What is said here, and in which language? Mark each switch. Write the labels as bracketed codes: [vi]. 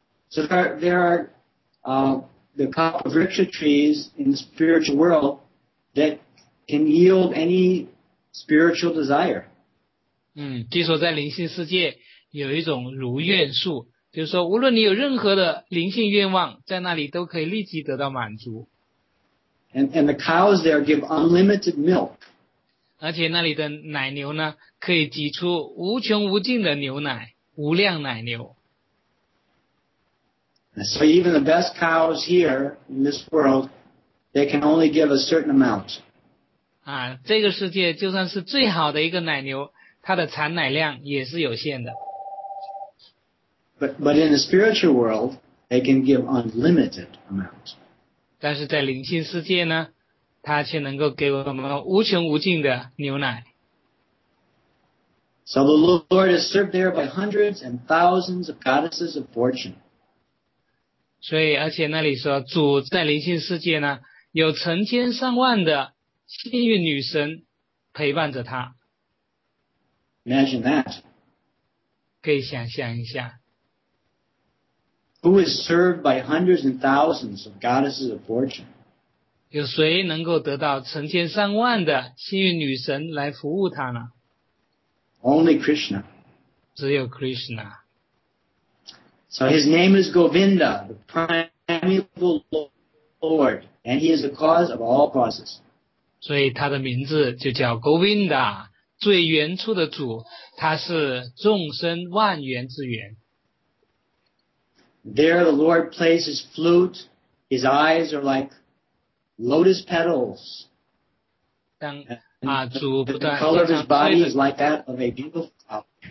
[en] So there are the crop of richer trees in the spiritual world that can yield any spiritual desire. [zh] 据说在灵性世界有一种如愿树，就是说无论你有任何的灵性愿望，在那里都可以立即得到满足。 [en] And the cows there give unlimited milk. [zh] 而且那里的奶牛呢，可以挤出无穷无尽的牛奶，无量奶牛。 [en] So even the best cows here in this world, they can only give a certain amount. [zh] 这个世界就算是最好的一个奶牛，它的产奶量也是有限的。 [en] But in the spiritual world, they can give unlimited amount. [zh] 但是在灵性世界呢，它却能够给我们无穷无尽的牛奶。 [en] So the Lord is served there by hundreds and thousands of goddesses of fortune. [zh] 所以而且那里说主在灵性世界呢有成千上万的幸运女神陪伴着他。 [en] Imagine that. [zh] 可以想象一下。 [en] Who is served by hundreds and thousands of goddesses of fortune? [zh] 有谁能够得到成千上万的幸运女神来服务他呢？ [en] Only Krishna. [zh] 只有 Krishna. [en] So his name is Govinda, the primeval Lord, and he is the cause of all causes. [zh] 所以他的名字就叫 Govinda, 最原初的主，他是众生万缘之源。 [en] There the Lord plays his flute, his eyes are like lotus petals. [zh] 主不断 [en] the color of his body is like that of a beautiful flower.